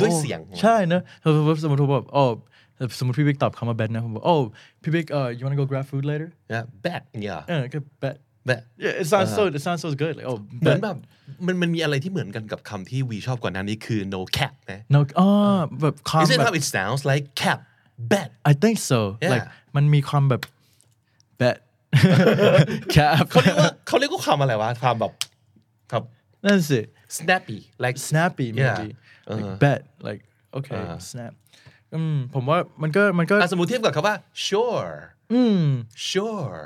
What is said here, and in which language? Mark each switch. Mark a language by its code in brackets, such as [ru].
[th] ด้วยเสียง ใช่นะสมมติแบบอ๋อสมมติพี่บิ๊กตอบคำว่า bet นะผมบอก oh พี่บิ๊ก [en] you wanna go grab food later yeah bet yeah bet yeah it sounds so good like, oh [th] เหมือนแบบมันมีอะไรที่เหมือนกันกับคำที่วีชอบกว่านั้นนี่คือ no cap นะ no แบบ [en] is it how it sounds like cap bet I think so yeah. [th] like มันมีความแบบ bet cap เขาเรียกว่าคำอะไรวะความแบบครับ นั่นสิ [en] snappy maybe yeah. like bet like okay snap [th] ผมว่ามันก็ สมมุติเทียบกับคำว่า sure sure